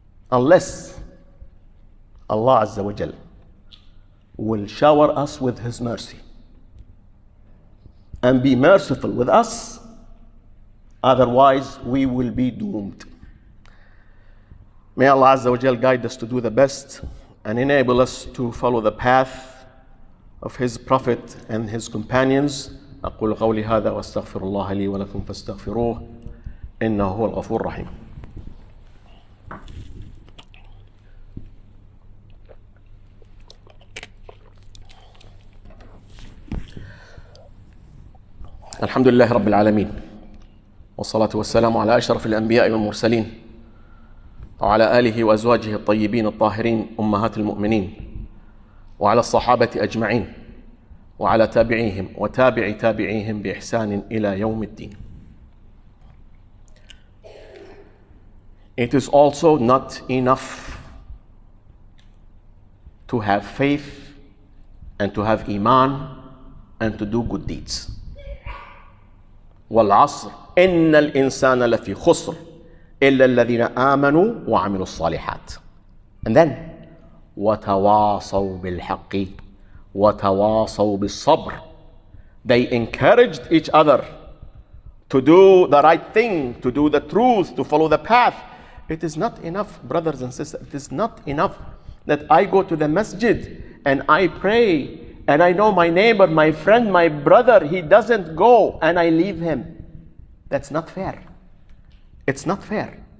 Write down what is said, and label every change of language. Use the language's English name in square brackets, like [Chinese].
[English] Unless Allah Azza wa Jal will shower us with His mercy and be merciful with us, otherwise we will be doomed. May Allah Azza wa Jal guide us to do the best and enable us to follow the path of His Prophet and His companions. [Arabic] أقول قولي هذا واستغفر الله لي ولكم فاستغفروه إنه هو الغفور الرحيم. الحمد لله رب العالمين والصلاة والسلام على أشرف الأنبياء والمرسلين وعلى آله وأزواجه الطيبين الطاهرين أمهات المؤمنين وعلى الصحابة أجمعين وعلى تابعيهم وتابع تابعيهم بإحسان إلى يوم الدين. [English] It is also not enough to have faith and to have iman and to do good deeds. [Arabic] والعصر إن الإنسان لفي خسر إلا الذين آمنوا وعملوا الصالحات. [English] And then [Arabic] وتواصوا بالحق وتواصوا بالصبر. [English] They encouraged each other to do the right thing, to do the truth, to follow the path. It is not enough, brothers and sisters, it is not enough that I go to the masjid and I pray and I know my neighbor, my friend, my brother, he doesn't go and I leave him. That's not fair. It's not fair.